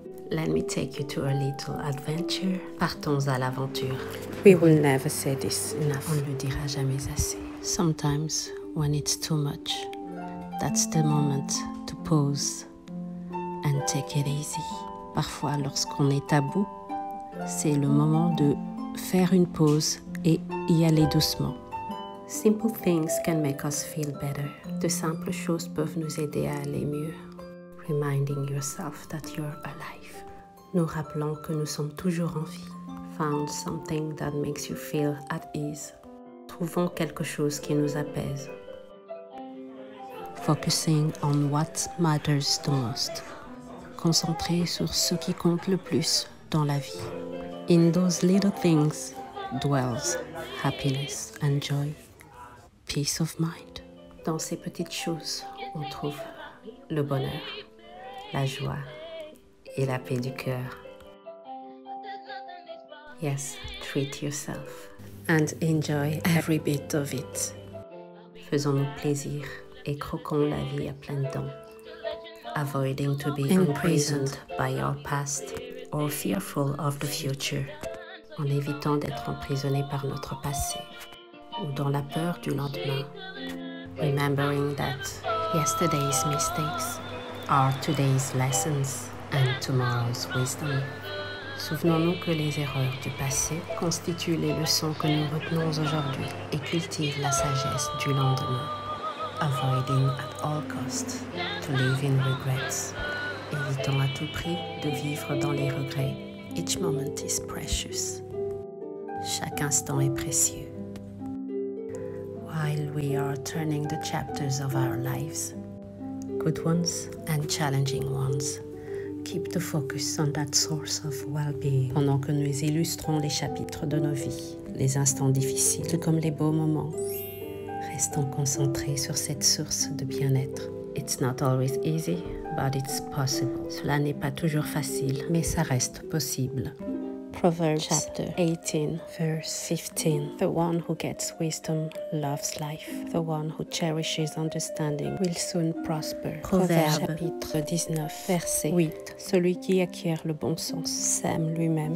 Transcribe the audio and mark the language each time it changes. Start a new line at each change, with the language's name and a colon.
English: Let me take you to a little adventure.
French: Partons à l'aventure.
English: We will never say this enough.
French: On ne le dira jamais assez.
English: Sometimes, when it's too much, that's the moment to pause and take it easy.
French: Parfois, lorsqu'on est à bout, c'est le moment de faire une pause et y aller doucement.
English: Simple things can make us feel better.
French: De simples choses peuvent nous aider à aller mieux.
English: Reminding yourself that you're alive.
French: Nous rappelons que nous sommes toujours en vie.
English: Found something that makes you feel at ease.
French: Trouvons quelque chose qui nous apaise.
English: Focusing on what matters the most.
French: Concentré sur ce qui compte le plus dans la vie.
English: In those little things dwells happiness and joy. Peace of mind.
French: Dans ces petites choses, on trouve le bonheur, la joie et la paix du cœur.
English: Yes, treat yourself. And enjoy every bit of it.
French: Faisons-nous plaisir et croquons la vie à pleines dents.
English: Avoiding to be imprisoned by our past or fearful of the future.
French: En évitant d'être emprisonné par notre passé ou dans la peur du lendemain.
English: Remembering that yesterday's mistakes are today's lessons and tomorrow's wisdom.
French: Souvenons-nous que les erreurs du passé constituent les leçons que nous retenons aujourd'hui et cultivent la sagesse du lendemain.
English: Avoiding at all costs to live in regrets.
French: Évitons à tout prix de vivre dans les regrets.
English: Each moment is precious.
French: Chaque instant est précieux.
English: While we are turning the chapters of our lives, good ones and challenging ones, keep the focus on that source of well-being.
French: Pendant que nous illustrons les chapitres de nos vies, les instants difficiles, tout comme les beaux moments, restons concentrés sur cette source de bien-être.
English: It's not always easy, but it's possible.
French: Cela n'est pas toujours facile, mais ça reste possible.
English: Proverbs chapter 18, verse 15. The one who gets wisdom loves life. The one who cherishes understanding will soon prosper.
French: Proverbe chapitre 19, verset 8. Celui qui acquiert le bon sens s'aime lui-même.